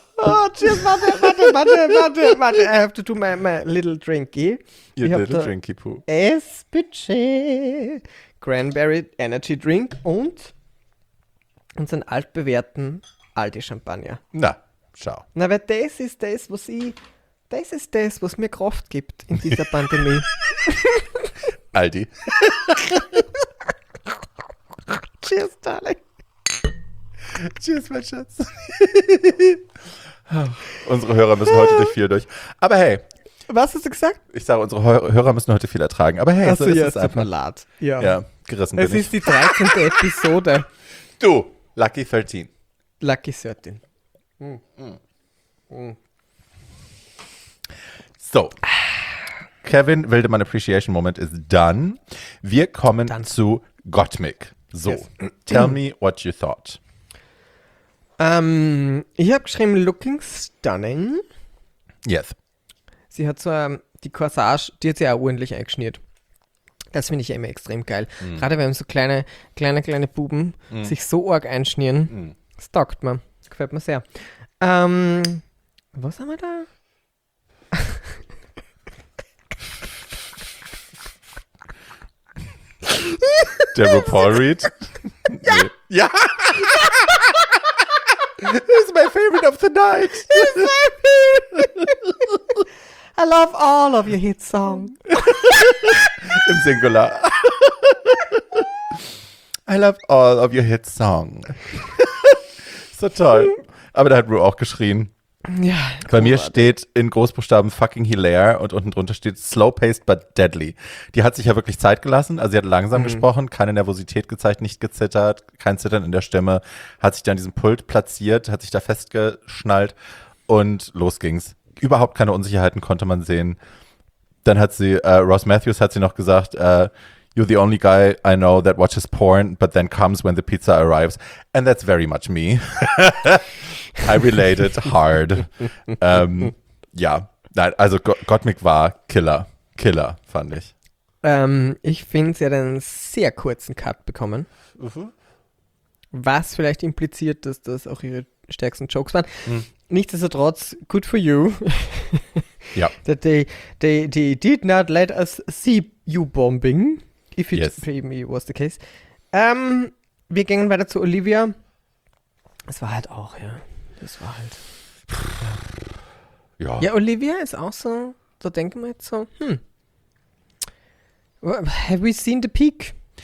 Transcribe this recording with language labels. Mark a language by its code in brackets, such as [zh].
[en] Oh, cheers, [de] warte, [en] I have to do my little drinky. Your little drinky-poo. Espeche. [de] Cranberry Energy Drink und unseren altbewährten Aldi Champagner. Na, schau. Na, weil das ist das, was mir Kraft gibt in dieser Pandemie. Aldi. [en] Cheers, darling. [de] Cheers, mein Schatz. Unsere Hörer müssen heute durch viel durch. Aber hey. Was hast du gesagt? Ich sage, unsere Hörer müssen heute viel ertragen. Aber hey, also, so ist es einfach. Malat. Ja, gerissen es bin ich. Es ist die 13. Episode. [en] Du, Lucky 13. Lucky 13. [de] So. [en] Kevin Wildermann Appreciation Moment is done. [de] Wir kommen dann zu Gottmik. [en] So, yes. Tell me what you thought. [de] Ich habe geschrieben, [en] looking stunning. Yes. [de] Sie hat so die Corsage, die hat sie auch ordentlich eingeschnürt. Das finde ich ja immer extrem geil. Mm. Gerade wenn so kleine Buben sich so arg einschnieren, das taugt man. Gefällt mir sehr. Was haben wir da? Der RuPaul Read? Ja! Nee. Ja! [en] Who's my favorite of the night? Who's my favorite? I love all of your hit songs. [de] Im Singular. [en] I love all of your hit songs. [de] So toll. Aber da hat Ru auch geschrien. Ja. Bei mir steht in Großbuchstaben [en] fucking hilaire [de] und unten drunter steht [en] slow paced but deadly. [de] Die hat sich ja wirklich Zeit gelassen, also sie hat langsam gesprochen, keine Nervosität gezeigt, nicht gezittert, kein Zittern in der Stimme, hat sich da an diesem Pult platziert, hat sich da festgeschnallt und los ging's. Überhaupt keine Unsicherheiten konnte man sehen. Dann hat sie, Ross Matthews hat sie noch gesagt, [en] you're the only guy I know that watches porn but then comes when the pizza arrives and that's very much me. I related hard. [de] ja, nein, also Gottmik war Killer, fand ich. Ich finde, sie hat einen sehr kurzen Cut bekommen. Was vielleicht impliziert, dass das auch ihre stärksten Jokes waren. Nichtsdestotrotz, [en] good for you. [de] Ja. [en] That they did not let us see you bombing. If it maybe was the case. [de] Wir gehen weiter zu Olivia. Es war halt auch, ja. Das war halt. Ja. Ja, Olivia ist auch so. Da denken wir jetzt so, [en] have we seen the peak?